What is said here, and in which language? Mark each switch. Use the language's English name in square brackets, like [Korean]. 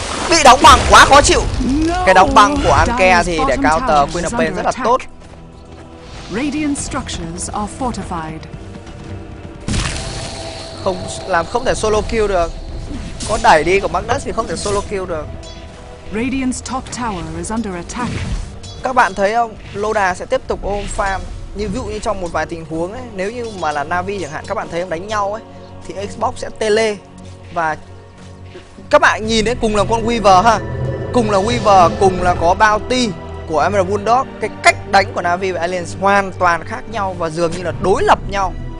[Vietnamese] Bị đóng băng quá khó chịu. Cái đóng băng của Anke thì để counter Queen of Pain rất là tốt. [English] Radiant structures are fortified. [Vietnamese] Không làm, không thể solo kill được. Có đẩy đi của Magnus thì không thể solo kill được. [English] Radiant's top tower is under attack. [Vietnamese] Các bạn thấy không? Loda sẽ tiếp tục ôm farm. Như ví dụ như trong một vài tình huống ấy, nếu như mà là Na'Vi chẳng hạn, các bạn thấy không, đánh nhau ấy thì Xbox sẽ tele. Và các bạn nhìn ấy, cùng là con Weaver ha. Cùng là Weaver, cùng là có bounty của Emerald Bulldog. Cái cách đánh của Na'Vi và Aliens hoàn toàn khác nhau và dường như là đối lập nhau.